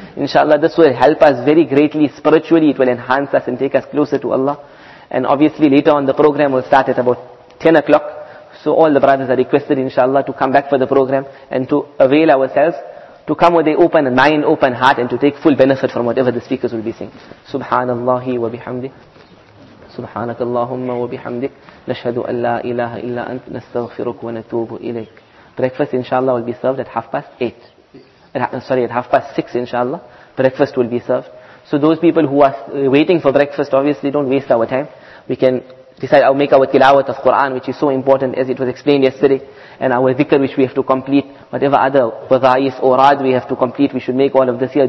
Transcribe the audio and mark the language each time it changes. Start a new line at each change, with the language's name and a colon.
English: Inshallah, this will help us very greatly spiritually. It will enhance us and take us closer to Allah. And obviously later on the program will start at about 10 o'clock. So all the brothers are requested inshallah to come back for the program and to avail ourselves to come with an open mind, open heart, and to take full benefit from whatever the speakers will be saying.
Arabic: Subhanallahi wa bihamdi. سبحانك اللهم وبحمدك نشهد أن لا إله إلا أنت نستغفرك ونتوب إليك.
English: Breakfast inshallah will be served at 8:30. Sorry, at 6:30 inshallah, breakfast will be served. So those people who are waiting for breakfast, obviously don't waste our time. We can decide our make our tilawat of Quran, which is so important as it was explained yesterday, and our dhikr which we have to complete, whatever other wadaif or rad we have to complete, we should make all of this here.